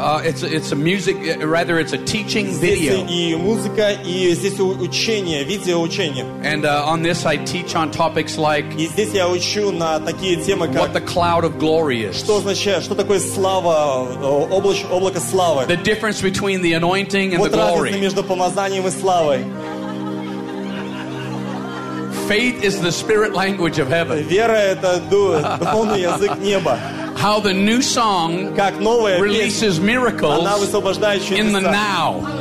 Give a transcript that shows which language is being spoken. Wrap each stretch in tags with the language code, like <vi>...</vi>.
<en>It's a music, rather it's a teaching video.</en> <ru>Здесь и музыка, и здесь учение, видео учение.</ru> <en>And on this I teach on topics like.</en> <ru>И здесь я учу на такие темы как.</ru> <en>What the cloud of glory is.</en> <ru>Что означает, что такое слава, облако славы.</ru> <en>The difference between the anointing and the glory.</en> <ru>Вот разница между помазанием и славой.</ru> <en>Faith is the spirit language of heaven.</en> <ru>Вера это духовный язык неба.</ru> <en>How the new song releases miracles in the now.</en>